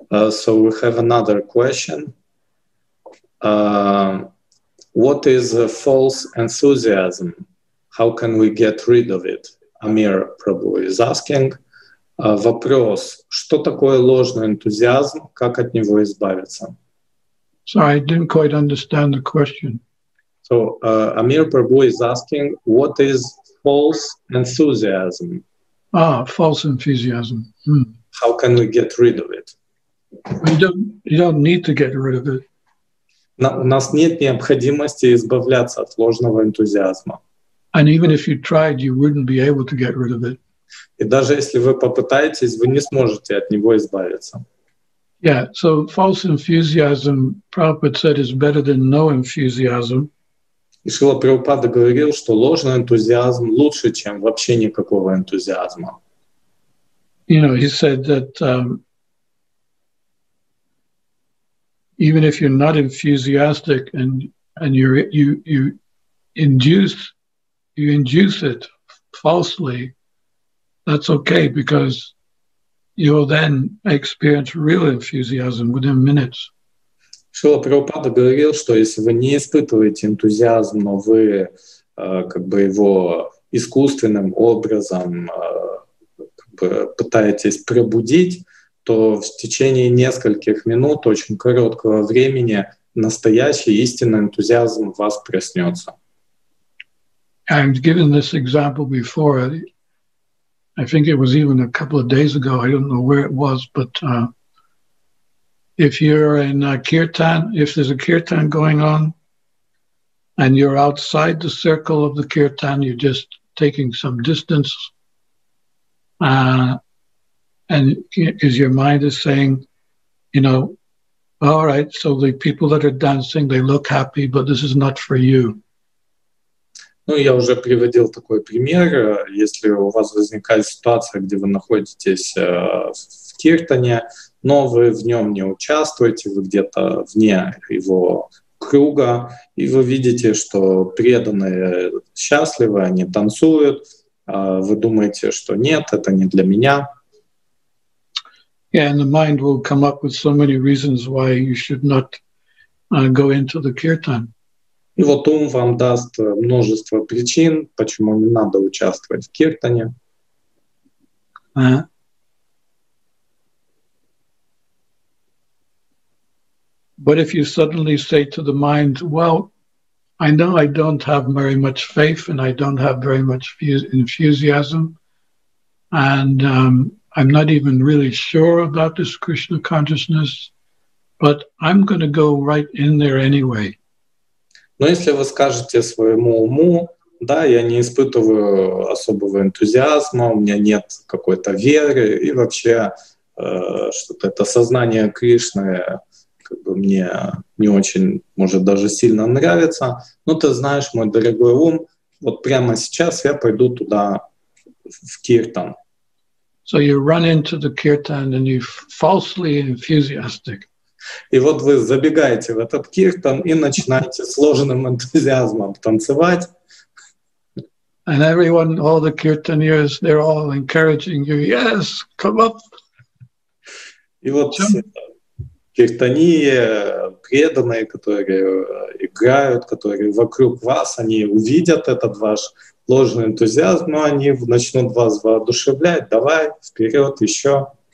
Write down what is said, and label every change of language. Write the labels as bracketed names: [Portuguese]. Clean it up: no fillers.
[English] So we have another question. What is a false enthusiasm? How can we get rid of it? Amir Prabhu is asking. [Russian] Вопрос. Что такое ложный энтузиазм? Как от него избавиться? [English] Sorry, I didn't quite understand the question. So Amir Prabhu is asking, what is false enthusiasm? False enthusiasm. How can we get rid of it? You don't need to get rid of it. [Russian] У нас нет необходимости избавляться от ложного энтузиазма. [English] And even if you tried, you wouldn't be able to get rid of it. [Russian] И даже если вы попытаетесь, вы не сможете от него избавиться. [English] Yeah, so false enthusiasm, Prabhupada said, is better than no enthusiasm. [Russian] И Шрила Прабхупада говорил, что ложный энтузиазм лучше, чем вообще никакого энтузиазма. [English] You know, he said that even if you're not enthusiastic and you induce it falsely, that's okay because you'll then experience real enthusiasm within minutes. [Russian] Шрила Прабхупада говорил, что если вы не испытываете энтузиазм, но вы как бы его искусственным образом как бы пытаетесь пробудить, то в течение нескольких минут, очень короткого времени, настоящий истинный энтузиазм в вас проснется. [English] I've given this example before. I think it was even a couple of days ago. I don't know where it was, but if you're in a kirtan, if there's a kirtan going on, and you're outside the circle of the kirtan, you're just taking some distance, and because your mind is saying, you know, all right, so the people that are dancing, they look happy, but this is not for you. [Russian] Ну, я уже приводил такой пример. Если у вас возникает ситуация, где вы находитесь в киртане, но вы в нем не участвуете, вы где-то вне его круга, и вы видите, что преданные счастливы, они танцуют, вы думаете, что нет, это не для меня. [English] Yeah, and the mind will come up with so many reasons why you should not go into the kirtan. [Russian] И вот ум вам даст множество причин, почему не надо участвовать в киртане. [English] But if you suddenly say to the mind, well, I know I don't have very much faith and I don't have very much enthusiasm and I'm not even really sure about this Krishna consciousness, but I'm going to go right in there anyway. [Russian] Но если вы скажете своему уму, да, я не испытываю особого энтузиазма, у меня нет какой-то веры, и вообще что-то это сознание Кришны как бы мне не очень, может, даже сильно нравится, но ты знаешь, мой дорогой ум, вот прямо сейчас я пойду туда, в киртан. [English] So you run into the kirtan and you're falsely enthusiastic. [Russian] И вот вы забегаете в этот киртан и начинаете с ложным энтузиазмом танцевать. [English] And everyone, all the kirtaniers, they're all encouraging you. Yes, come up. [Russian] И вот киртаньи, преданные, которые играют, которые вокруг вас, они увидят этот ваш ложный энтузиазм, но они начнут вас воодушевлять. Давай, вперед, еще.